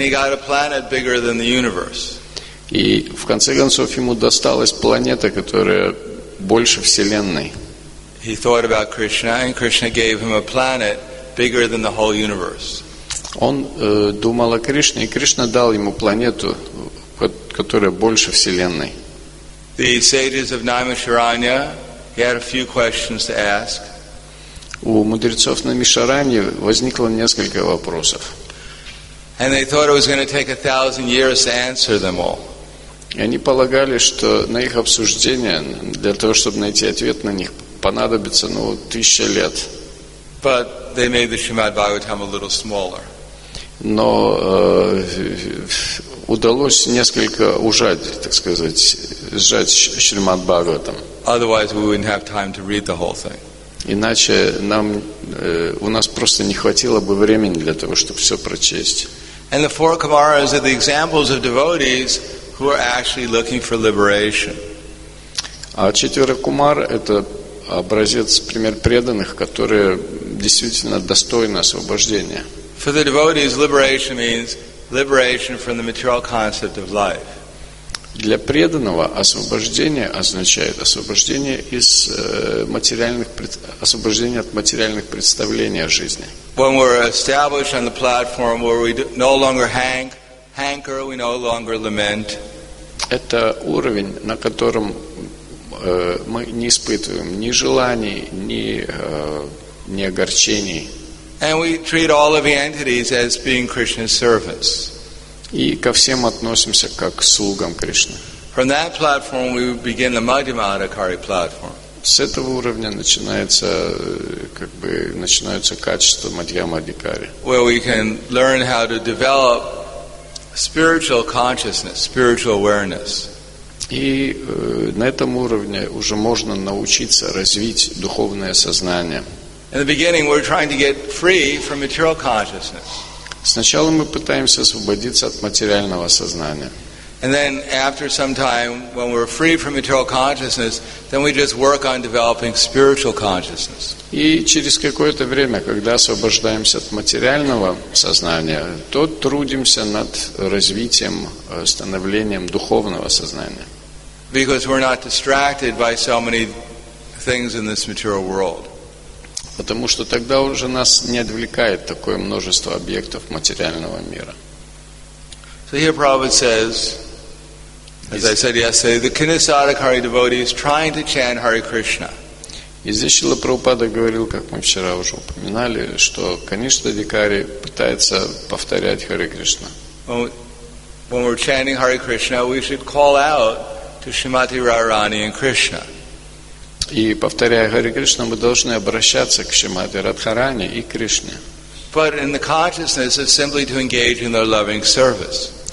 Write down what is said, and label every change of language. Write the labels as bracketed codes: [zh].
[en] And he got a planet bigger than the universe. [ru] И в конце концов ему досталась планета, которая больше Вселенной. [en] He thought about Krishna, and Krishna gave him a planet bigger than the whole universe. [ru] Он думал о Кришне, и Кришна дал ему планету, которая больше Вселенной. [en] The sages of Naimisharanya, he had a few questions to ask. [ru] У мудрецов Наймишараньи возникло несколько вопросов. [en] And they thought it was going to take 1,000 years to answer them all. [ru] И они полагали, что на их обсуждение, для того, чтобы найти ответ на них, понадобится, ну, 1,000 лет. [en] But they made the Srimad Bhagavatam a little smaller. [ru] Но удалось несколько ужать, так сказать, сжать Шримад Бхагаватам. [en] Otherwise we wouldn't have time to read the whole thing. [ru] Иначе нам, у нас просто не хватило бы времени для того, чтобы все прочесть. [en] And the four Kumaras are the examples of devotees who are actually looking for liberation. [ru] А четверо Кумар – это образец, пример преданных, которые действительно достойны освобождения. [en] For the devotees, liberation means liberation from the material concept of life. [ru] Для преданного освобождение означает освобождение из материальных освобождение от материальных представлений о жизни. [en] When we're established on the platform where we no longer hanker, we no longer lament. [ru] Это уровень, на котором мы не испытываем ни желаний, ни огорчений. [en] And we treat all living entities as being Krishna's servants. [ru] И ко всем относимся как к слугам Кришны. [en] From that platform we begin the Madhyama Adhikari platform. [ru] С этого уровня начинается, как бы, начинаются качества Мадхьяма Адхикари. [en] Where we can learn how to develop spiritual consciousness, spiritual awareness. [ru] И на этом уровне уже можно научиться развить духовное сознание. [en] In the beginning, we're trying to get free from material consciousness. [ru] Сначала мы пытаемся освободиться от материального сознания. [en] And then, after some time, when we're free from material consciousness, then we just work on developing spiritual consciousness. [ru] И через какое-то время, когда освобождаемся от материального сознания, то трудимся над развитием, становлением духовного сознания. [en] Because we're not distracted by so many things in this material world. [ru] Потому что тогда уже нас не отвлекает такое множество объектов материального мира. [en] So here Prabhupada says, as I said yesterday, the Kanisadakari devotee is trying to chant Hare Krishna. [ru] И здесь Шрила Прабхупада говорил, как мы вчера уже упоминали, что Канишадикари пытается повторять Харе Кришна. [en] When we're chanting Hare Krishna, we should call out to Shrimati Radharani and Krishna. [ru] И, повторяя Харе Кришна, мы должны обращаться к Шримати Радхарани и Кришне. [en] But in the consciousness of simply to engage in their loving service.